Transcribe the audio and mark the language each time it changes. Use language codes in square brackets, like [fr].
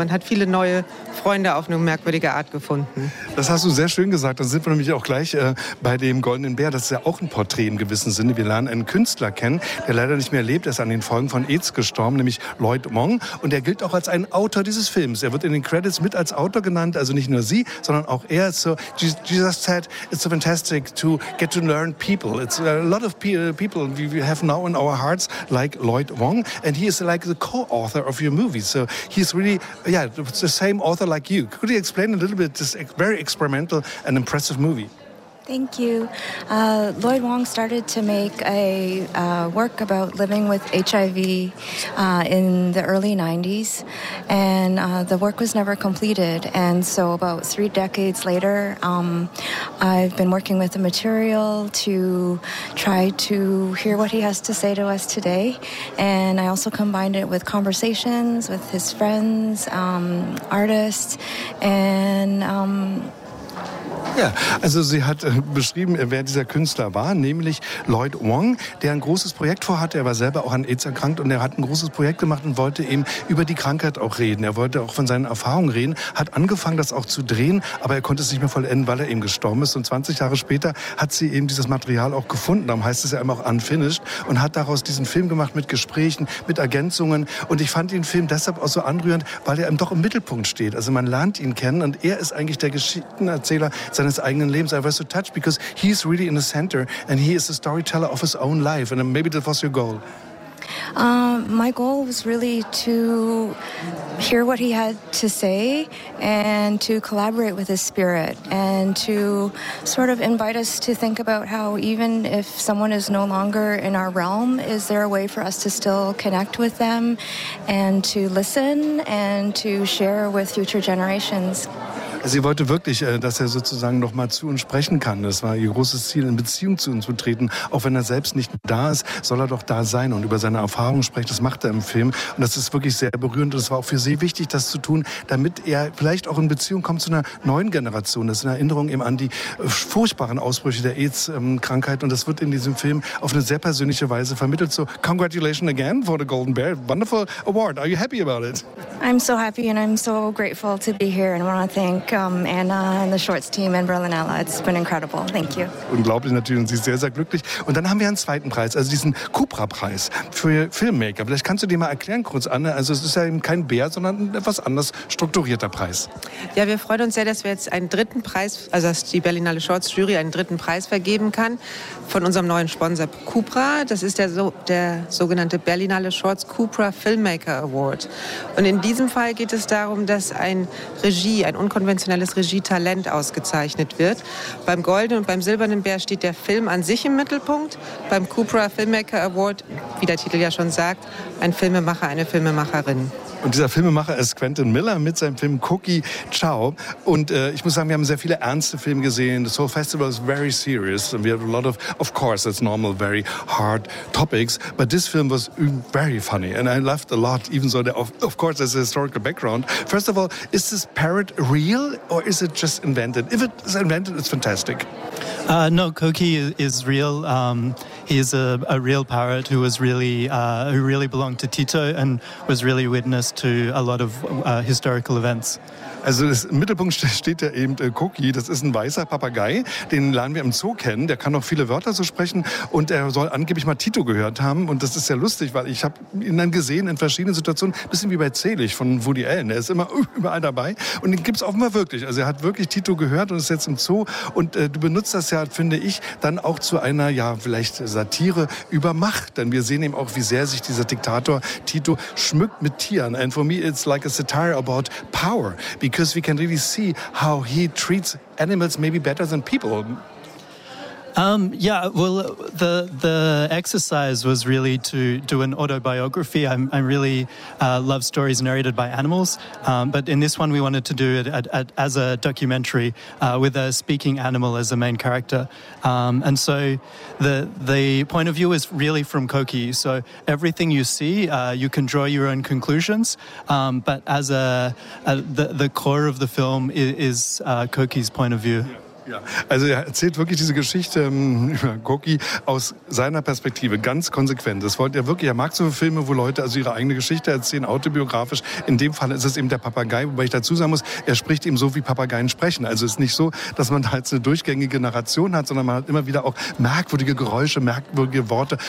[de] Man hat viele neue Freunde auf eine merkwürdige Art gefunden. Das hast du sehr schön gesagt. Dann sind wir nämlich auch gleich bei dem Goldenen Bär. Das ist ja auch ein Porträt im gewissen Sinne. Wir lernen einen Künstler kennen, der leider nicht mehr lebt. Er ist an den Folgen von AIDS gestorben, nämlich Lloyd Wong. Und er gilt auch als ein Autor dieses Films. Er wird in den Credits mit als Autor genannt. Also nicht nur sie, sondern auch er. [en] So, Jesus said, it's so fantastic to get to learn people. It's a lot of people we have now in our hearts, like Lloyd Wong. And he is like the co-author of your movie. So he's really, yeah, the same author like you. Could you explain a little bit this very experimental and impressive movie? Thank you. Lloyd Wong started to make a work about living with HIV in the early 90s. And the work was never completed. And so about 3 decades later, I've been working with the material to try to hear what he has to say to us today. And I also combined it with conversations with his friends, artists, and... [de] Ja, also sie hat beschrieben, wer dieser Künstler war, nämlich Lloyd Wong, der ein großes Projekt vorhatte. Er war selber auch an AIDS erkrankt und er hat ein großes Projekt gemacht und wollte eben über die Krankheit auch reden. Er wollte auch von seinen Erfahrungen reden, hat angefangen, das auch zu drehen, aber er konnte es nicht mehr vollenden, weil er eben gestorben ist. Und 20 Jahre später hat sie eben dieses Material auch gefunden, darum heißt es ja immer auch Unfinished, und hat daraus diesen Film gemacht mit Gesprächen, mit Ergänzungen. Und ich fand den Film deshalb auch so anrührend, weil er eben doch im Mittelpunkt steht. Also man lernt ihn kennen und er ist eigentlich der Geschichtenerzähler seines eigenen Lebens. [en] I was so touched because he's really in the center and he is the storyteller of his own life. And maybe that was your goal. My goal was really to hear what he had to say and to collaborate with his spirit and to sort of invite us to think about how even if someone is no longer in our realm, is there a way for us to still connect with them and to listen and to share with future generations? [de] Sie wollte wirklich, dass er sozusagen noch mal zu uns sprechen kann. Das war ihr großes Ziel, in Beziehung zu uns zu treten. Auch wenn er selbst nicht da ist, soll er doch da sein und über seine Erfahrungen sprechen. Das macht er im Film. Und das ist wirklich sehr berührend. Und es war auch für sie wichtig, das zu tun, damit er vielleicht auch in Beziehung kommt zu einer neuen Generation. Das ist eine Erinnerung eben an die furchtbaren Ausbrüche der AIDS-Krankheit. Und das wird in diesem Film auf eine sehr persönliche Weise vermittelt. [en] So, congratulations again for the Golden Bear. Wonderful award. Are you happy about it? I'm so happy and I'm so grateful to be here and want to thank Anna and the Shorts team in Berlinella. It's been incredible. Thank you. [de] Unglaublich natürlich und sie ist sehr, sehr glücklich. Und dann haben wir einen zweiten Preis, also diesen Cupra-Preis für Filmmaker. Vielleicht kannst du dir mal erklären kurz, Anne. Also es ist ja eben kein Bär, sondern ein etwas anders strukturierter Preis. Ja, wir freuen uns sehr, dass wir jetzt einen dritten Preis, also dass die Berlinale Shorts Jury einen dritten Preis vergeben kann von unserem neuen Sponsor Cupra. Das ist der sogenannte Berlinale Shorts Cupra Filmmaker Award. Und in diesem Fall geht es darum, dass ein unkonventionelles Regietalent ausgezeichnet wird. Beim Goldenen und beim Silbernen Bär steht der Film an sich im Mittelpunkt. Beim Cupra Filmmaker Award, wie der Titel ja schon sagt, ein Filmemacher, eine Filmemacherin. Und dieser Filmemacher ist Quentin Miller mit seinem Film Cookie Ciao. Und ich muss sagen, wir haben sehr viele ernste Filme gesehen. [en] This whole festival is very serious. And we have a lot of course, that's normal, very hard topics. But this film was very funny. And I laughed a lot, even though of course there's a historical background. First of all, is this parrot real or is it just invented? If it's invented, it's fantastic. No, Cookie is real. He's a real parrot who was really who really belonged to Tito and was really witness to a lot of historical events. [de] Also im Mittelpunkt steht ja eben Cookie. Das ist ein weißer Papagei, den lernen wir im Zoo kennen. Der kann auch viele Wörter so sprechen und er soll angeblich mal Tito gehört haben. Und das ist ja lustig, weil ich habe ihn dann gesehen in verschiedenen Situationen. Ein bisschen wie bei Zelig von Woody Allen. Er ist immer überall dabei und den gibt es offenbar wirklich. Also er hat wirklich Tito gehört und ist jetzt im Zoo. Und du benutzt das ja, finde ich, dann auch zu einer, ja, vielleicht Satire über Macht. Denn wir sehen eben auch, wie sehr sich dieser Diktator Tito schmückt mit Tieren. [en] And for me it's like a satire about power. Because we can really see how he treats animals maybe better than people. Well, the exercise was really to do an autobiography. I really love stories narrated by animals, but in this one we wanted to do it as a documentary with a speaking animal as a main character. And so the point of view is really from Koki. So everything you see, you can draw your own conclusions, but as the core of the film is Koki's point of view. [de] Ja, also er erzählt wirklich diese Geschichte über Cookie aus seiner Perspektive, ganz konsequent. Das wollte er wirklich, er mag so Filme, wo Leute also ihre eigene Geschichte erzählen, autobiografisch. In dem Fall ist es eben der Papagei, wobei ich dazu sagen muss, er spricht eben so, wie Papageien sprechen. Also es ist nicht so, dass man da jetzt eine durchgängige Narration hat, sondern man hat immer wieder auch merkwürdige Geräusche, merkwürdige Worte.